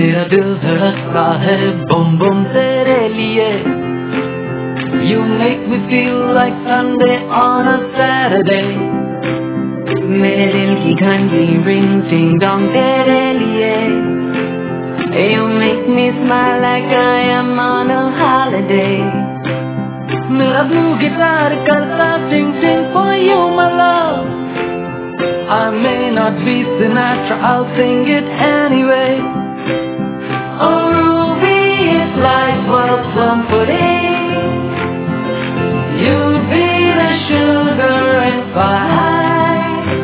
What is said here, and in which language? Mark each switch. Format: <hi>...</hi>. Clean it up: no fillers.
<hi>दिल धड़कता है बम बम तेरे लिए.</hi> <en>You make me feel like Sunday on a Saturday.</en> <hi>मेरे दिल की घंटी रिंग टिंग डोंग तेरे लिए.</hi> <en>You make me smile like I am on a holiday.</en> <hi>मेरा ब्लू गिटार करता टिंग टिंग</hi> <en>for you my love. I may not be Sinatra, I'll sing it anyway. Oh Ruby, if life was comforting, you'd be the sugar and pie.</en>